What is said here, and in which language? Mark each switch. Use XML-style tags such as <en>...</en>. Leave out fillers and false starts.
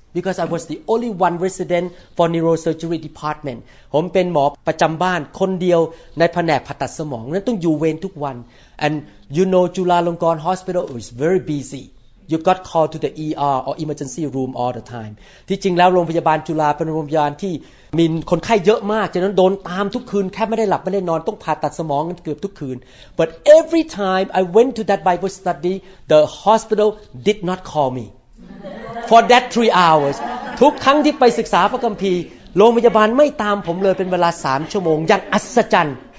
<en>Because I was the only one resident for neurosurgery department.</en> <th>ผมเป็นหมอประจำบ้านคนเดียวในแผนกผ่าตัดสมองนั้นต้องอยู่เวรทุกวัน</th> <en>And you know จุฬาลงกรณ์ hospital is very busy. You got called to the ER or emergency room all the time.</en> <th>ที่จริงแล้วโรงพยาบาลจุฬาเป็นโรงพยาบาลที่มีคนไข้เยอะมากฉะนั้นโดนตามทุกคืนแค่ไม่ได้หลับไม่ได้นอนต้องผ่าตัดสมองกันเกือบทุกคืน</th> <en>But every time I went to that Bible study, the hospital did not call meFor that 3 hours</en> <th>ทุกครั้งที่ไปศึกษาพระคัมภีร์โรงพยาบาลไม่ตามผมเลยเป็นเวลา3ชั่วโมงอย่างอัศจรรย์</th>